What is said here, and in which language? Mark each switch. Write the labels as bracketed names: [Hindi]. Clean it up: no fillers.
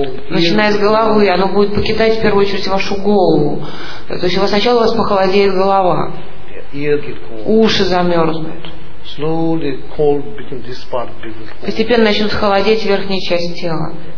[Russian] Начиная с головы, оно будет покидать в первую очередь вашу голову. То есть у вас сначала у вас похолодеет голова. Уши замерзнут. [English] Slowly cold begin this part begin cold. [Russian] Постепенно начнут холодеть верхняя часть тела.